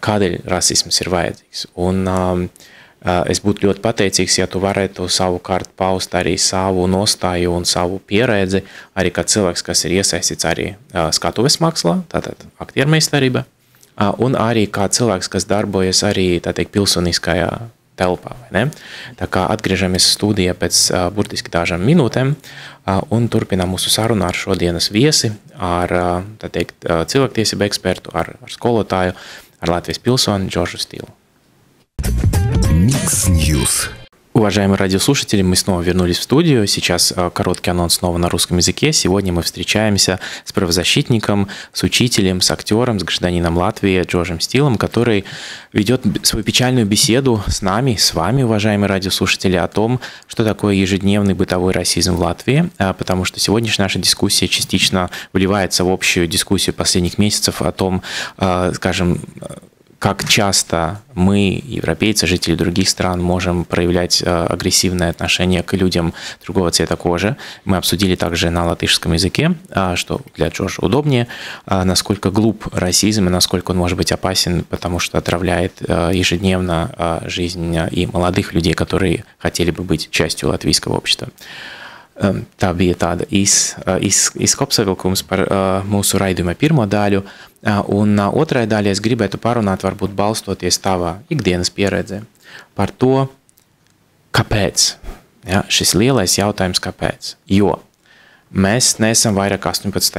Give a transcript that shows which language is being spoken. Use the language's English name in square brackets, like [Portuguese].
[Latvian] Kādēļ rasisms ir vajadzīgs, un es būtu ļoti pateicīgs, ja tu varētu savu kārt paust arī savu nostāju un savu pieredzi, arī kā cilvēks, kas ir iesaistīts arī skatuves mākslā, tātad aktiermeistarība, un arī kā cilvēks, kas darbojas arī, tātiek, pilsoniskajā telpā, vai ne? Tā kā atgriežamies studijā pēc burtiski dažām minūtēm un turpinām mūsu sarunu ar šodienas viesi, ar, tātiek, cilvēktiesību ekspertu, ar skolotāju, ar Latvijas pilsoni Džoržu Stīlu. [Russian] Микс Ньюс. Уважаемые радиослушатели, мы снова вернулись в студию. Сейчас короткий анонс снова на русском языке. Сегодня мы встречаемся с правозащитником, с учителем, с актером, с гражданином Латвии Джорджем Стилом, который ведет свою печальную беседу с нами, с вами, уважаемые радиослушатели, о том, что такое ежедневный бытовой расизм в Латвии, потому что сегодняшняя наша дискуссия частично вливается в общую дискуссию последних месяцев о том, скажем, как часто мы, европейцы, жители других стран, можем проявлять агрессивное отношение к людям другого цвета кожи. Мы обсудили также на латышском языке, что для Джорджа удобнее, насколько глуп расизм и насколько он может быть опасен, потому что отравляет ежедневно жизнь и молодых людей, которые хотели бы быть частью латвийского общества. [Latvian] Tā bija tāda izkopsavilkums par mūsu raidījuma pirmo daļu, un otrai daļai es gribētu parunāt, varbūt balstoties tavā ikdienas pieredze, par to, kāpēc, ja, šis lielais jautājums kāpēc, jo mēs neesam vairāk 18.